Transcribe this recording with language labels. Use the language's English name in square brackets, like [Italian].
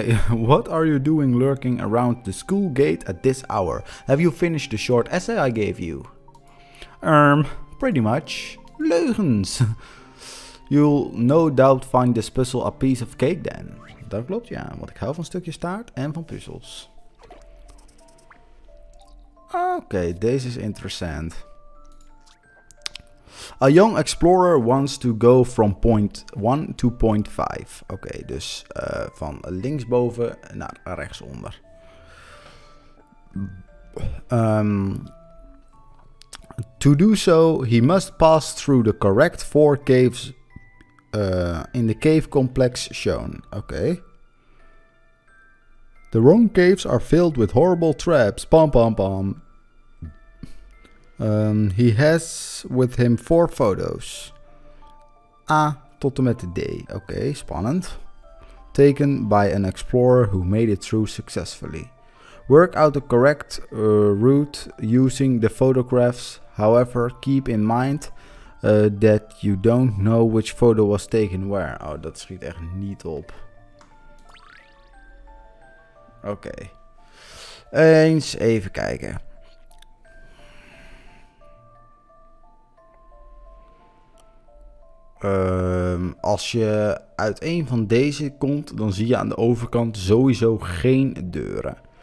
[English] what are you doing lurking around the school gate at this hour? Have you finished the short essay I gave you? Pretty much. [Dutch] Leugens. [English] You'll no doubt find this puzzle a piece of cake then. [Dutch] Dat klopt, ja. Want ik hou van stukjes taart en van puzzels. Oké, deze is interessant. [English] A young explorer wants to go from point 1 to point 5. [Dutch] Oké, dus van linksboven naar rechtsonder. [English] To do so, he must pass through the correct 4 caves in the cave complex shown. [Dutch] Oké. [English] The wrong caves are filled with horrible traps. Pom pom pom. He has with him 4 photos. [Dutch] A tot en met D. Oké, spannend. [English] Taken by an explorer who made it through successfully. Work out the correct route using the photographs. However, keep in mind that you don't know which photo was taken where. [Dutch] Oh, dat schiet echt niet op. Oké. Eens even kijken. Als je uit een van deze komt, dan zie je aan de overkant sowieso geen deuren.